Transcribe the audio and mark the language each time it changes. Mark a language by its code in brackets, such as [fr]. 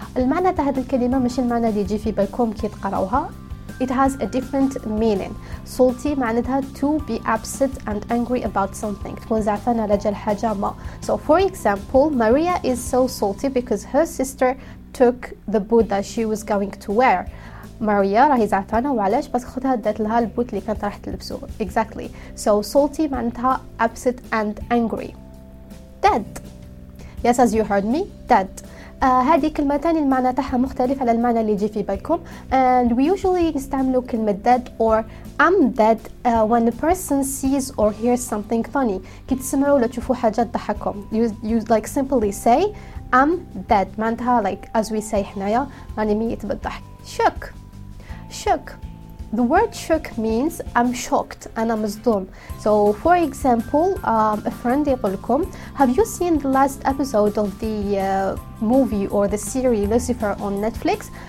[ar] المعنى تاع هذه الكلمة مش المعنى اللي يجي في بالكم كي تقرأوها. [en] It has a different meaning. Salty [ar] معناتها [en] to be upset and angry about something. [ar] تكون زعفانة على جال حاجة ما. [en] So for example, Maria is so salty because her sister took the boot that she was going to wear. [ar] Maria راهي زعفانة وعلاش بس خدها دات لها البوت اللي كانت راح تلبسه. [en] Exactly. So salty معناتها upset and angry. Dead. Yes, as you heard me, dead. [ar] هذه كلمتان المعنى تاعها مختلف على المعنى اللي يجي في بالكم. [en] And we usually [ar] نستعملوا كلمة [en] dead or I'm dead when a person sees or hears something funny. [ar] كي تسمعوا ولا تشوفوا حاجة تضحكم. [en] You like simply say I'm dead. [ar] معناتها [en] like as we say [ar] حنايا راني ميت بالضحك. [en] Shook. Shook. The word shook means I'm shocked and I'm [ar] مصدوم. [en] So for example, a friend [ar] يقول لكم, [en] have you seen the last episode of the movie or the series Lucifer on Netflix?